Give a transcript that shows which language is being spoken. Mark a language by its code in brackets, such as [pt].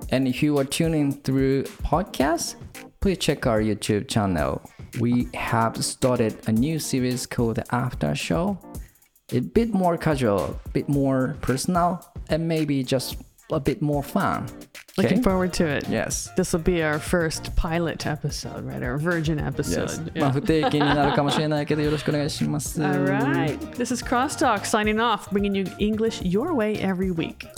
[en] And if you are tuning through podcasts, please check our YouTube channel. We have started a new series called The After Show. A bit more casual, a bit more personal, and maybe just... a bit more fun. Looking okay. forward to it. Yes. This will be our first pilot episode, right? Our virgin episode. Yes. [ja] Yeah. 不定期になるかもしれないけど、よろしくお願いします。 [en] All right. This is Crosstalk signing off, bringing you English your way every week.